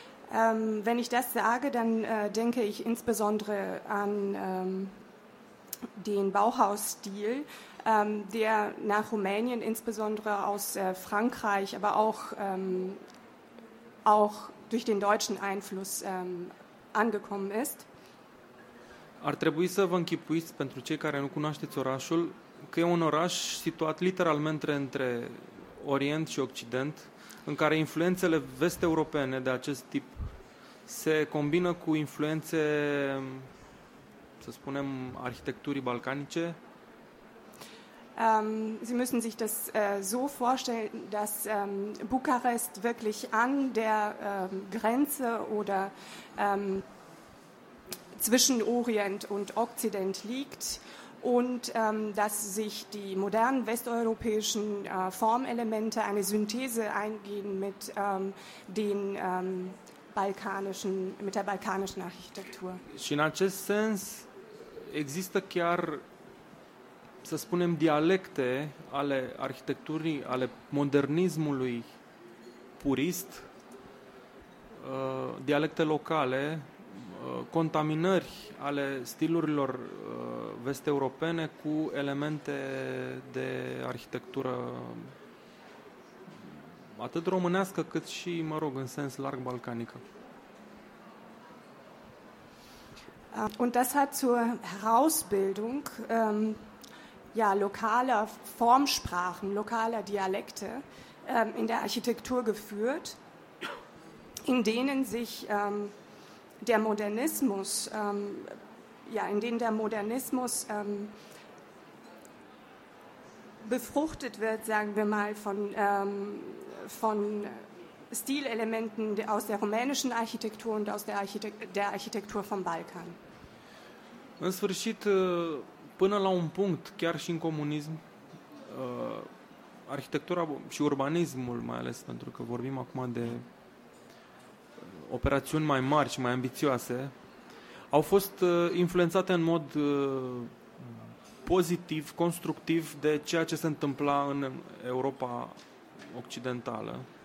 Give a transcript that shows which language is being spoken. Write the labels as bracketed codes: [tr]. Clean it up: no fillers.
[de] Wenn ich das sage, dann denke ich insbesondere an den Bauhausstil, der nach Rumänien, insbesondere aus Frankreich, aber auch durch den deutschen Einfluss angekommen ist. [ro] Ar trebui să vă închipuiți, pentru cei care nu cunoașteți orașul, că e un oraș situat literalmente între Orient și Occident, în care influențele vest-europene de acest tip se combină cu influențe, să spunem, arhitecturii balcanice. [de] Sie müssen sich das so vorstellen, dass Bukarest wirklich an der Grenze oder zwischen Orient und Okzident liegt und dass sich die modernen westeuropäischen Formelemente eine Synthese eingehen mit den balkanischen, mit der balkanischen Architektur. [ro] Și în acest sens există chiar, să spunem, dialecte ale arhitecturii, ale modernismului purist, dialecte locale, contaminări ale stilurilor vest-europene cu elemente de arhitectură atât românească cât și, mă rog, în sens larg balcanică. [de] Und das hat zur Herausbildung ja, lokaler Formsprachen, lokaler Dialekte in der Architektur geführt, in denen sich der Modernismus, ja, in denen der Modernismus befruchtet wird, sagen wir mal, von Stilelementen aus der rumänischen Architektur und aus der Architektur vom Balkan. [ro] În sfârșit, până la un punct, chiar și în comunism, arhitectura și urbanismul, mai ales pentru că vorbim acum de operațiuni mai mari și mai ambițioase, au fost influențate în mod pozitiv, constructiv, de ceea ce se întâmpla în Europa Occidentală.